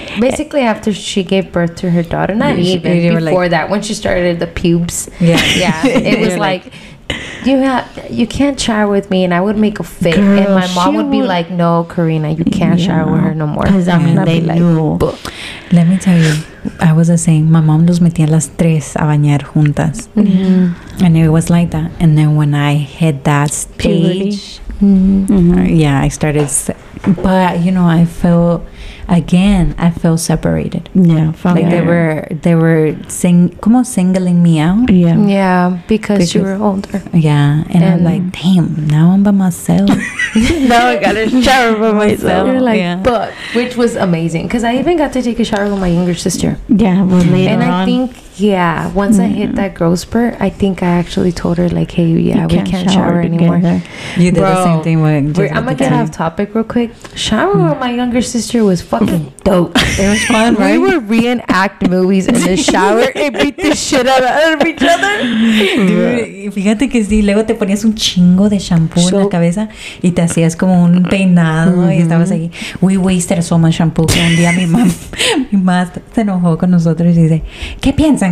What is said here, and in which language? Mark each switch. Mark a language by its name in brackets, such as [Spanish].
[English] Basically, after she gave birth to her daughter, not she, even before like, that, when she started the pubes. Yeah. Yeah. It was like, you can't shower with me. And I would make a fit. Girl, and my mom would be like, no, Karina, you can't shower with her no more. Because I mean, they like, let me tell you, I was the same. My mom [Spanish] nos metía las tres a bañar juntas. Mm-hmm. [English] And it was like that. And then when I hit that stage. Yeah, I started, but you know, I felt separated. Yeah, from like they were singling me out. Yeah, yeah, because you were older. Yeah, and I'm like, damn, now I'm by myself. Now I got a shower by myself. You're like, but which was amazing because I even got to take a shower with my younger sister. Yeah, well, later and on. I think. Yeah, once I hit that growth spurt, I think I actually told her, like, hey, we can't shower anymore. You did the same thing with Jessica. I'm going to get off topic real quick. Showering with my younger sister was fucking dope. It was fun, right? We would reenact movies in the shower and beat the shit out of each other. Dude, [Spanish] fíjate que sí. Luego te ponías un chingo de shampoo en la cabeza y te hacías como un peinado y estabas ahí. [English] We wasted so much shampoo [Spanish] que un día mi mamá se enojó con nosotros y dice, ¿qué piensas?